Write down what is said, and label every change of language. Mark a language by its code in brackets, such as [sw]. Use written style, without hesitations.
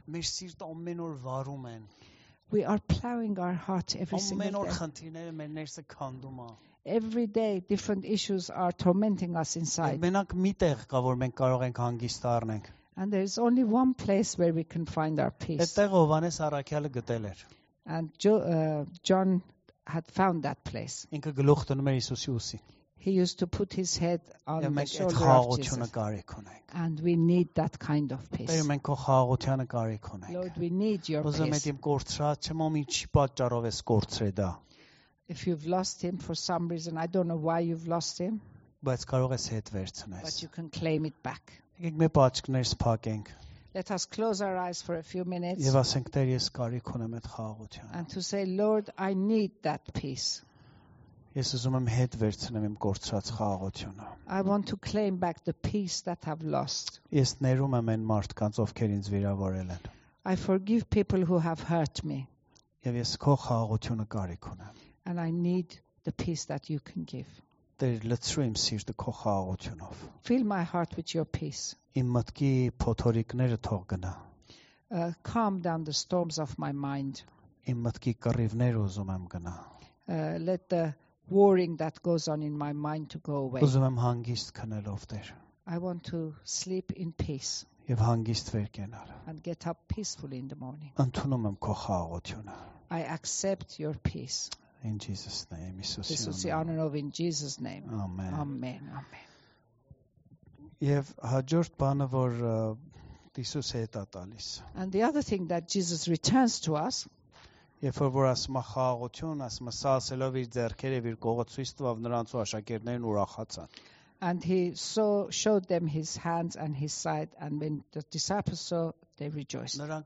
[hy] Մեր սիրտը ամեն օր վարում են։ [en] We are plowing our hearts every single day. [hy] Ամեն օր խնդիրները մեր ներսը քանդում են։ [en] Every day different issues are tormenting us inside. [hy] Մենակ մի տեղ կա որ մենք կարող ենք հանգիստ առնենք։ [en] And there is only one place where we can find our peace. [hy] Այդտեղ Հովանես Առաքյալը գտել էր։ [en] And John had found that place. [hy] Ինքը գլուխը դնում էր Հիսուսի ուսին։ [en] He used to put his head on the shoulder of Jesus. [hy] Մենք խաղաղությունը կարիք ունենք։ [en] And we need that kind of peace. [hy] Տեր, մենք քո խաղաղությունը կարիք ունենք։ [en] Lord, we need your peace. [hy] Ուզում եմ իմ կորցրած չեմ ինչի պատճառով ես կորցրե դա։ [en] If you've lost him for some reason, I don't know why you've lost him. [hy] Բայց կարող ես հետ վերցնես։ [en] But you can claim it back. [hy] Եկեք մեր աչքերս փակենք։ [en] Let us close our eyes for a few minutes. [hy] Եվ ասենք Տեր, ես կարիք ունեմ այդ խաղաղությանը։ [en] And to say, Lord, I need that peace. [hy] Ես ուզում եմ հետ վերցնեմ իմ կորցրած խաղաղությունը։ [en] I want to claim back the peace that I've lost. [hy] Ես ներում եմ այն մարդկանց, ովքեր ինձ վիրավորել են։ [en] I forgive people who have hurt me. [hy] Եվ ես քո խաղաղությունը կարիք ունեմ։ [en] And I need the peace that you can give. [hy] Տեր լցրու իմ սիրտը քո խաղաղությունով։ [en] Fill my heart with your peace. [hy] Իմ մտքի փոթորիկները թող գնա։ [en] Calm down the storms of my mind. [hy] Իմ մտքի կռիվները ուզում եմ գնա։ [en] Let the worrying that goes on in my mind to go away. [hy] Ուզում եմ հանգիստ քնելով Տեր։ [en] I want to sleep in peace. [hy] Եվ հանգիստ վեր կենալ։ [en] And get up peacefully in the morning. [hy] Ընդունում եմ քո խաղաղությունը։ [en] I accept your peace. In Jesus' name, Jesus. This is the honor of in Jesus' name. Amen. Amen. Amen. [hy] Եվ հաջորդ բանը, որ Հիսուս հետ է տալիս։ [en] And the other thing that Jesus returns to us. [hy] Եվ որ ասում է խաղաղություն, ասում է սասելով իր ձեռքերը իր կողը ցույց տվավ նրանց ու աշակերտներին ուրախացան։ [en] And he saw, showed them his hands and his side, and when the disciples saw, they rejoiced.